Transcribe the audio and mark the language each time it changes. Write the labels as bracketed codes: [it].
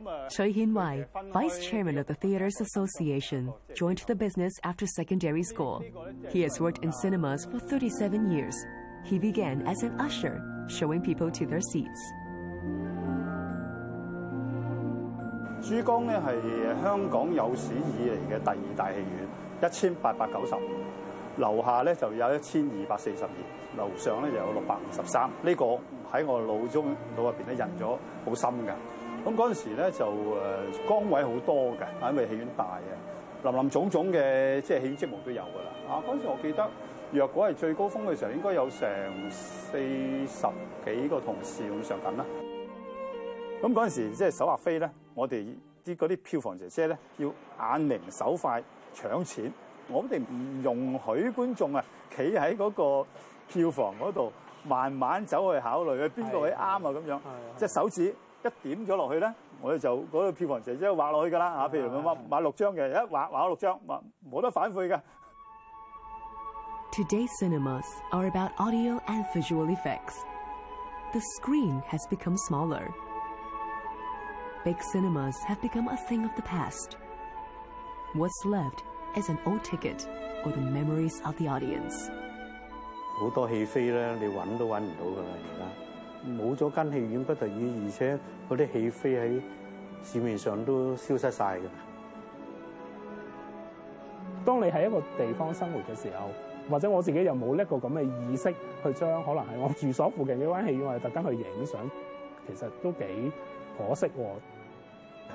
[en] 徐顯懷 ，Vice Chairman of the Theatres Association， joined the business after secondary school。 He has worked in cinemas for 37 years。 He began as an usher， showing people to their seats。 [yue] 珠江咧係香港有史以嚟嘅第二大戲院，1890，樓下咧就有1242，樓上咧就有653。呢個喺我腦中腦入邊咧印咗好深嘅。咁嗰陣時咧就崗位好多嘅，因為戲院大啊，林林種種嘅即係戲院職務都有噶啦。啊，嗰陣時我記得，若果係最高峰嘅時候，應該有成40多個同事咁上緊啦。咁嗰陣時即係手握飛咧，我哋啲嗰啲票房姐姐咧要眼明手快搶錢，我哋唔容許觀眾啊企喺嗰個票房嗰度慢慢走去考慮邊個位啱啊咁樣，即係手指。一點咗落去咧，我哋就嗰個票房姐姐畫落去噶啦嚇。譬如買六張嘅，一畫畫咗六張，冇得反悔嘅。 [en] Today's cinemas are about audio and visual effects. The screen has become smaller. Big cinemas have become a thing of the past. What's left is an old ticket or the memories of the audience. [yue] 好多戲飛咧，你揾都揾唔到噶啦！而家冇咗間戲院不得已，而且嗰啲戲飛喺市面上都消失曬噶。當你喺一個地方生活嘅時候，或者我自己又冇一個咁嘅意識去將可能係我住所附近嘅間戲院，我係特登去影相，其實都幾可惜喎。